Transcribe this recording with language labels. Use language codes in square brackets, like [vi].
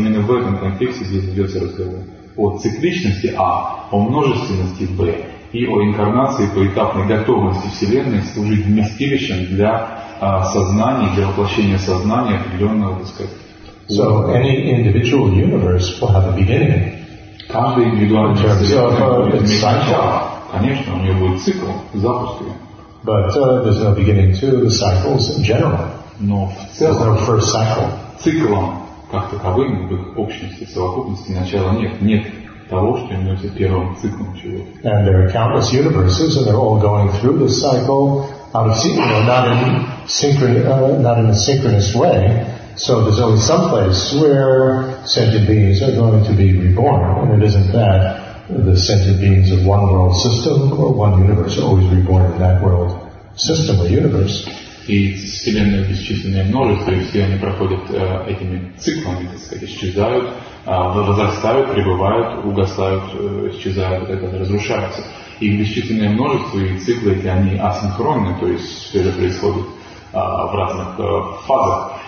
[ru] Именно в этом контексте здесь идется разговор о цикличности А, о множественности Б и о инкарнации поэтапной готовности Вселенной служить вместилищем для сознания, для воплощения сознания определенного, так сказать, [en] So any individual universe will have a beginning. [ru] Каждый индивидуальный конечно, у него будет цикл запуска. [en] But there's no beginning to the cycles in general. [ru] Но в целом, [en] there's no first cycle. [ru] Циклом как таковым в их общности, совокупности начала нет. Нет того, что является первым циклом чего. [en] And there are countless universes, and they're all going through this cycle out of sequence, not in a synchronous way. So there's only some place where sentient beings are going to be reborn, and it isn't that the sentient beings of one world system or one universe are always reborn in that world system or universe. [ru] И вселенная бесчисленная множество, и все они проходят этими циклами, так сказать, исчезают, возрастают, пребывают, угасают, исчезают, разрушаются. И бесчисленное множество, и циклы эти, они асинхронны, то есть все это происходит в разных фазах.